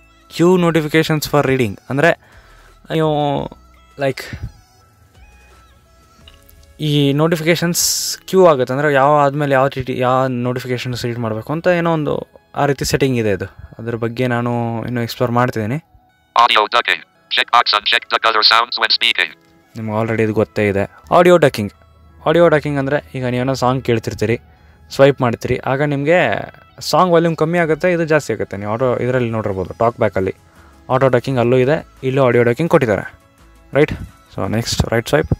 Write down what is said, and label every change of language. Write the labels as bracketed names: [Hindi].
[Kannada] Q notifications for reading ಅಂದರೆ ನೀವು like ಈ ನೋಟಿಫಿಕೇಷನ್ಸ್ ಕ್ಯೂ ಆಗುತ್ತೆ ಅಂದರೆ ಯಾವ ಆದಮೇಲೆ ಯಾವ ಟಿ ಟಿ ಯಾವ ನೋಟಿಫಿಕೇಷನ್ಸ್ ರೀಡ್ ಮಾಡಬೇಕು ಅಂತ ಏನೋ ಒಂದು ಆ ರೀತಿ ಸೆಟ್ಟಿಂಗ್ ಇದೆ. ಅದು ಅದ್ರ ಬಗ್ಗೆ ನಾನು ಇನ್ನೂ ಎಕ್ಸ್ಪ್ಲೋರ್ ಮಾಡ್ತಿದ್ದೀನಿ. [English] audio ducking. Check box on check duck other sounds when speaking. [Kannada] ನಿಮ್ಗೆ ಆಲ್ರೆಡಿ ಇದು ಗೊತ್ತೇ ಇದೆ. ಆಡಿಯೋ ಡಕ್ಕಿಂಗ್, ಆಡಿಯೋ ಡಕ್ಕಿಂಗ್ ಅಂದರೆ ಈಗ ನೀವೇನೋ ಸಾಂಗ್ ಕೇಳ್ತಿರ್ತೀರಿ, ಸ್ವೈಪ್ ಮಾಡ್ತೀರಿ, ಆಗ ನಿಮಗೆ ಸಾಂಗ್ ವಾಲ್ಯೂಮ್ ಕಮ್ಮಿ ಆಗುತ್ತೆ, ಇದು ಜಾಸ್ತಿ ಆಗುತ್ತೆ. ನೀವು ಆಟೋ ಇದರಲ್ಲಿ ನೋಡಿರ್ಬೋದು, ಟಾಕ್ ಬ್ಯಾಕಲ್ಲಿ ಆಟೋ ಡಕ್ಕಿಂಗ್ ಅಲ್ಲೂ ಇದೆ, ಇಲ್ಲೂ ಆಡಿಯೋ ಡಕ್ಕಿಂಗ್ ಕೊಟ್ಟಿದ್ದಾರೆ. [English] Right, so next right swipe.